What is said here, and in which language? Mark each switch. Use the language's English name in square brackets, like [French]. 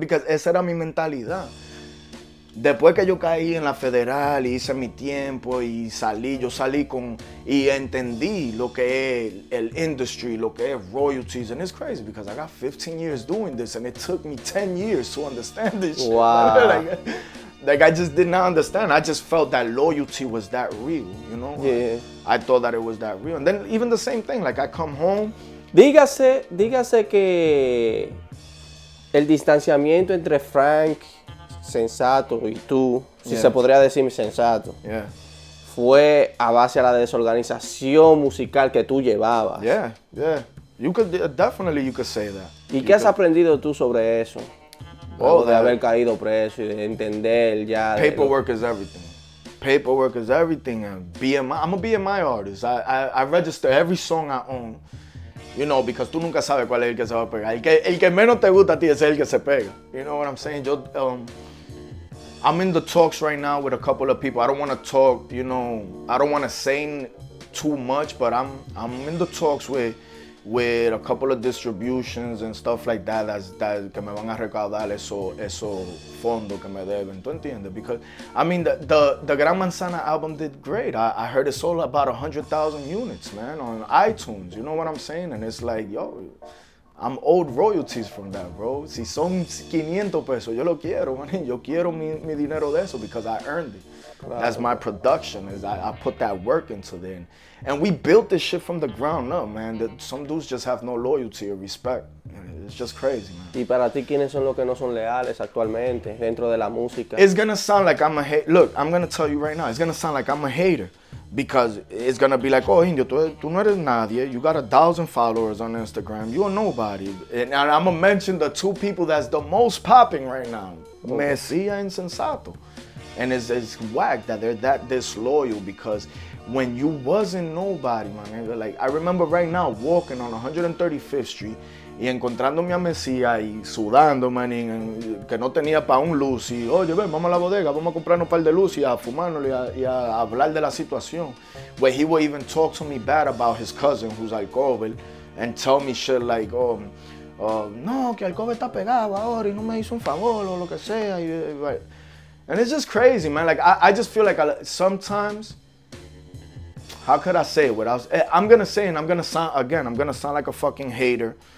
[Spanish] Because esa era mi mentalidad. Después que yo caí en la federal y hice mi tiempo y salí, yo salí con y entendí lo que es el industry, lo que es royalties, [English] and it's crazy because I got 15 years doing this and it took me 10 years to understand this shit. Wow. Like, Like, I just did not understand. I just felt that loyalty was that real, you know? Yeah. I thought that it was that real. And then even the same thing, like, I come home. [Spanish] Dígase que el distanciamiento entre Frank Sensato y tú, si yeah. se podría decir Sensato, yeah. fue a base a la desorganización musical que tú llevabas. [English] Yeah, yeah. You could, definitely you could say that. [Spanish] ¿Y qué has aprendido tú sobre eso? Oh, de haber caído preso y de entender ya. [English] Paperwork is everything. Paperwork is everything. And BMI, I'm a BMI artist. I register every song I own. You know, because [Spanish] tú nunca sabes cuál es el que se va a pegar. El que menos te gusta a ti es el que se pega. [English] You know what I'm saying? Yo, I'm in the talks right now with a couple of people. I don't want to talk, you know, I don't want to say too much, but I'm in the talks with a couple of distributions and stuff like that, that [Spanish] que me van a recaudar eso fondo que me deben, ¿tú entiendes? [English] Because, I mean, the Gran Manzana album did great. I heard it sold about 100,000 units, man, on iTunes, you know what I'm saying? And it's like, yo, I'm owed royalties from that, bro. [Spanish] Si son 500 pesos, yo lo quiero, man. Yo quiero mi dinero de eso [English] because I earned it. [Spanish] Claro. [English] That's my production, is I put that work into it. And we built this shit from the ground up, man. That some dudes just have no loyalty or respect. It's just crazy, man. [Spanish] ¿Y para ti quiénes son los que no son leales actualmente dentro de la música? [English] It's gonna sound like I'm a hater. Look, I'm gonna tell you right now. It's gonna sound like I'm a hater. Because it's gonna be like, oh, Indio, [Spanish] tú no eres nadie. [English] You got 1,000 followers on Instagram. You are nobody. And I'm gonna mention the two people that's the most popping right now. Okay. Mesía and Sensato. And it's whack that they're that disloyal, because when you wasn't nobody, my nigga, like, I remember right now walking on 135th Street [Spanish] y encontrándome a Mesía y sudando, man, y que no tenía pa' un luz. Y, oye, ven, vamos a la bodega, vamos a comprarnos un par de luz y a fumarnos y a hablar de la situación. [English] Where he would even talk to me bad about his cousin, who's alcohol, and tell me shit like, oh, no, [Spanish] que alcohol está pegado ahora y no me hizo un favor o lo que sea. [English] And it's just crazy, man. Like, I just feel like sometimes, how could I say it without, I'm going to say, and I'm going to sound, again, I'm going to sound like a fucking hater.